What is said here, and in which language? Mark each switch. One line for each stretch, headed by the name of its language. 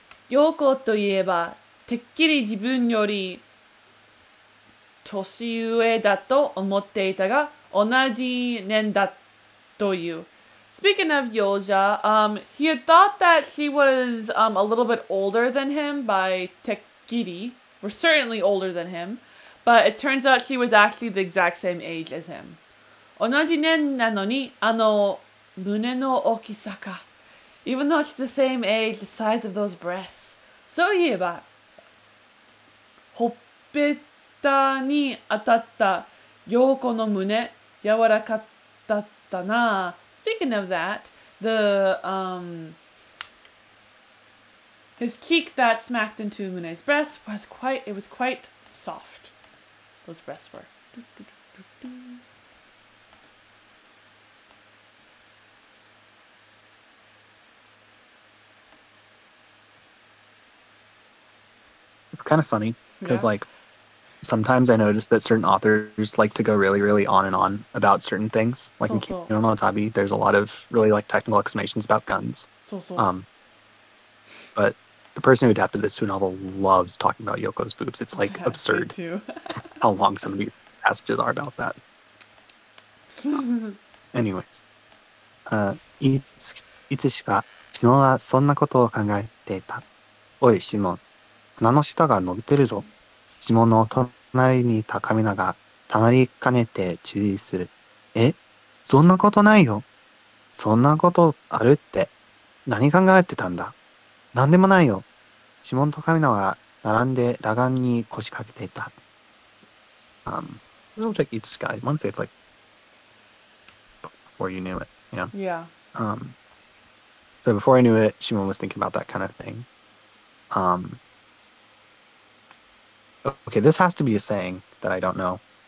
Japanese: Yoko といえば、てっきり自分より年上だと思っていたが、同じ年だという。
English: Speaking of Yoja, he had thought that she was a little bit older than him by てっきり. We're certainly older than him, but it turns out she was actually the exact same age as him.
Japanese: 同じ年なのに、あの胸の大きさか。
English: Even though it's the same age, the size of those breasts.
Japanese: そういえば、ほっぺたに当たった陽子の胸、柔らかだったな。
English: Speaking of that, the, his cheek that smacked into Mune's breast was quite, it was quite soft. Those breasts were. It's kind of funny because, like, sometimes I notice that certain authors like to go really, really on and on about certain things. Like, in Kino no Tabi, there's a lot of really, like, technical explanations about guns. But the person who adapted this to a novel loves talking about Yoko's boobs. It's, like, absurd how long some of these passages are about that. Anyways.
Japanese: いつしか、シモンはそんなことを考えていた。おい、シモン。鼻の下が伸びてるぞ。シモンの隣にいたカミナがたまりかねて注意する。え？そんなことないよ。そんなことあるって。何考えてたんだ。何でもないよ。シモンとカミナは並んでラガンに腰掛けていた。
English: It'll take each guy. I wouldn't say it's like before you knew it, you know? Yeah. So before I knew it, Shimon was thinking about that kind of thing. Okay, this has to be a saying that I don't know.